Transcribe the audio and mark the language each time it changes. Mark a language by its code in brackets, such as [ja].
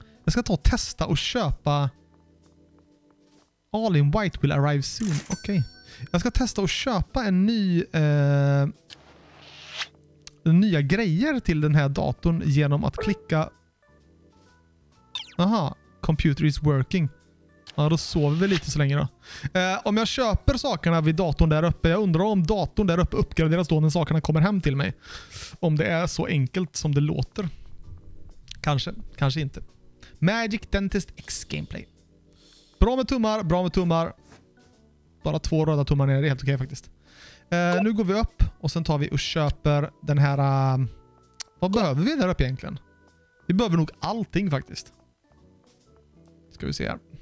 [sv] Jag ska ta och testa och köpa [en] All in White will arrive soon. [sv] Okej. Okay. Jag ska testa och köpa en ny nya grejer till den här datorn genom att klicka. [en] Aha, computer is working. [sv] Ja, då sover vi lite så länge då. Om jag köper sakerna vid datorn där uppe, jag undrar om datorn där uppe uppgraderas då när sakerna kommer hem till mig. Om det är så enkelt som det låter. Kanske, kanske inte. [en] Magic Dentist X gameplay. [sv] Bra med tummar, bra med tummar. Bara två röda tummar ner, det är helt okej faktiskt. Nu går vi upp och sen tar vi och köper den här... vad behöver vi där uppe egentligen? Vi behöver nog allting faktiskt. Ska vi se här.